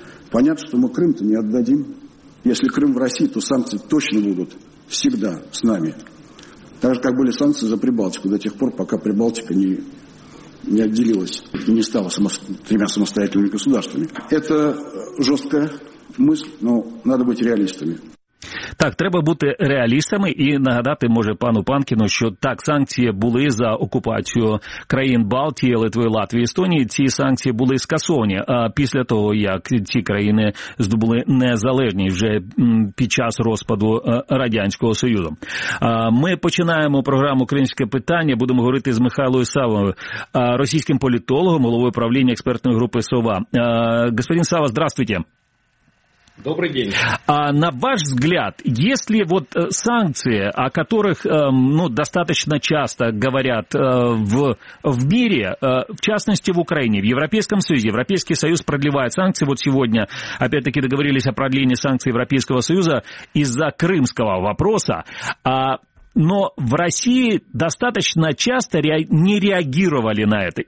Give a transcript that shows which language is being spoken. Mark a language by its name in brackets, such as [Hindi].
[Russian] Понятно, что мы Крым-то не отдадим. Если Крым в России, то санкции точно будут всегда с нами. Так же, как были санкции за Прибалтику до тех пор, пока Прибалтика не, не отделилась, не стала тремя самостоятельными государствами. Это жесткая мысль, но надо быть реалистами. [Ukrainian] Так, треба бути реалістами і нагадати, може, пану Панкіну, що так, санкції були за окупацію країн Балтії, Литви, Латвії, Естонії. Ці санкції були скасовані після того, як ці країни здобули незалежність вже під час розпаду Радянського Союзу. Ми починаємо програму «Українське питання». Будемо говорити з Михайлою Савою, російським політологом, головою правління експертної групи СОВА. [Russian] Господин Сава, здравствуйте. Добрый день. А на ваш взгляд, есть ли вот санкции, о которых достаточно часто говорят в мире, в частности в Украине, в Европейском Союзе, Европейский Союз продлевает санкции, вот сегодня опять-таки договорились о продлении санкций Европейского Союза из-за крымского вопроса, но в России достаточно часто не реагировали на это.